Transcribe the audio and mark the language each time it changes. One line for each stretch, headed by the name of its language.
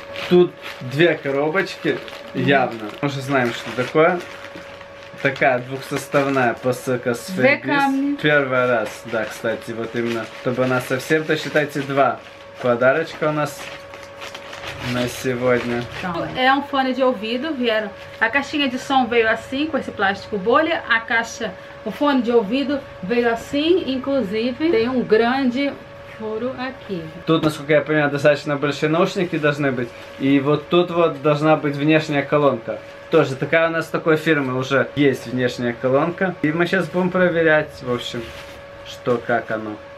Russian: Тут две коробочки, явно. Мы же знаем, что такое. Такая двухсоставная посылка с Фейбис. Первый раз, да, кстати, вот именно. Чтобы она совсем, то считайте, два подарочка у нас на сегодня.
Portuguese: É um fone de ouvido, vieram. A caixinha de som veio assim, com esse plástico bolha. A caixa, o fone de ouvido veio assim, inclusive tem um grande furo aqui.
Russian: Тут, насколько я понимаю, достаточно большие наушники должны быть. И вот тут вот должна быть внешняя колонка. Тоже такая у нас такой фирмы уже есть внешняя колонка. И мы сейчас будем проверять, в общем, что как оно.